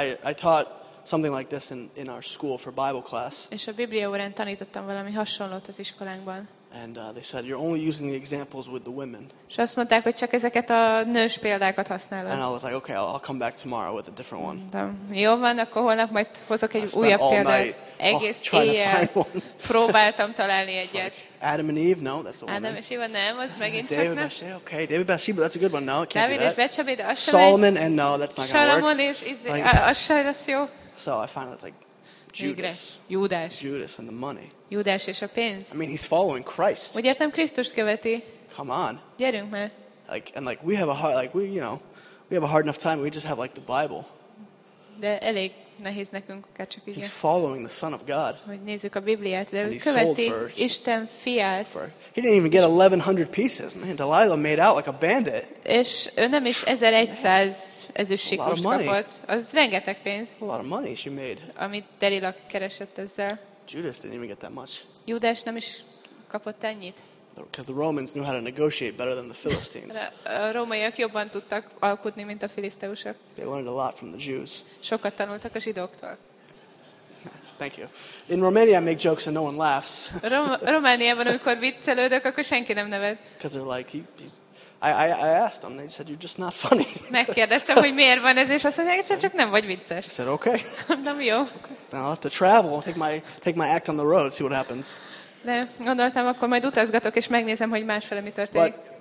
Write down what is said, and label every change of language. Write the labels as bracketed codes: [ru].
[en] I taught something like this in our school for Bible class. [hu] És a Biblia órán tanítottam valami hasonlót az iskolánkban. [en] And they said you're only using the examples with the women. [hu] És azt mondták, hogy csak ezeket a nős példákat használod. [en] And I was like, okay, I'll come back tomorrow with a different one. [hu] Jó van, akkor holnap majd hozok egy újabb példát. Egész éjjel próbáltam találni egyet. [en] Adam and Eve, no, that's a woman. [hu] Adam és Eva, nem, az megint [en] David [hu] csak nem. [en] Okay, David Bathsheba, that's a good one. No, I can't David do that. [hu] David és Becsabé, [en] Solomon, and no, that's not gonna work. [hu] És az sem lesz jó. [en] So I finally was like, Judas. Judas and the money. [hu] Judas és a pénz. [en] I mean, he's following Christ. [hu] Úgy értem, Krisztust követi. [en] Come on. [hu] Gyerünk már. [en] Like, and like we have a hard, like we, you know, we have a hard enough time. We just have like the Bible. [hu] De elég nehéz nekünk, akár csak igen. [en] He's following the Son of God. [hu] Hogy nézzük a Bibliát, de ő követi Isten fiát. [en] For, he didn't even get 1,100 pieces. Man, Delilah made out like a bandit. [hu] És ő nem is 1,100 ezüstsiklost kapott. Az rengeteg pénz. [en] A lot of money she made. [hu] Amit Delilah keresett ezzel. [en] Judas didn't even get that much. [hu] Judas nem is kapott ennyit. [en] Because the Romans knew how to negotiate better than the Philistines. [hu] A rómaiak jobban tudtak alkotni, mint a filiszteusok. [en] They learned a lot from the Jews. [hu] Sokat tanultak a zsidóktól. [en] Thank you. In Romania, I make jokes and no one laughs. [hu] Romániában, amikor viccelődök, akkor senki nem nevet. [en] Because they're like, I asked them, they said, you're just not funny. [hu] Megkérdeztem, hogy miért van ez, és azt mondják, egyszer csak nem vagy vicces. [en] I said, okay. [hu] Nem jó. [en] Then I'll have to travel, take my act on the road, see what happens. [hu] De gondoltam, akkor majd utazgatok és megnézem, hogy másfele mi történik.